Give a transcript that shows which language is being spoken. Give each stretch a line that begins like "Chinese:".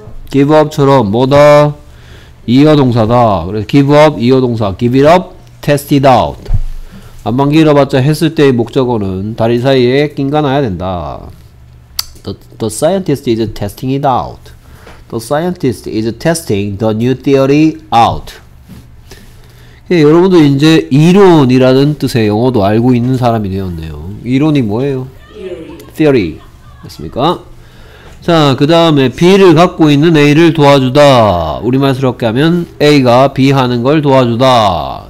English: give up
Korean: 처럼 뭐다? 이어동사다. 그래서
English: give up, 이어동사. give it up, test it out.
Korean: 안만 길어봤자 했을 때의 목적어는 다리 사이에 낀가 놔야 된다.
English: The scientist is testing it out. The scientist is testing the new theory out.
Korean: 예, 여러분도 이제 이론이라는 뜻의 영어도 알고 있는 사람이 되었네요. 이론이 뭐예요?
English: theory.
Korean: 맞습니까? 자, 그 다음에 B를 갖고 있는 A를 도와주다. 우리말스럽게 하면 A가 B 하는 걸 도와주다.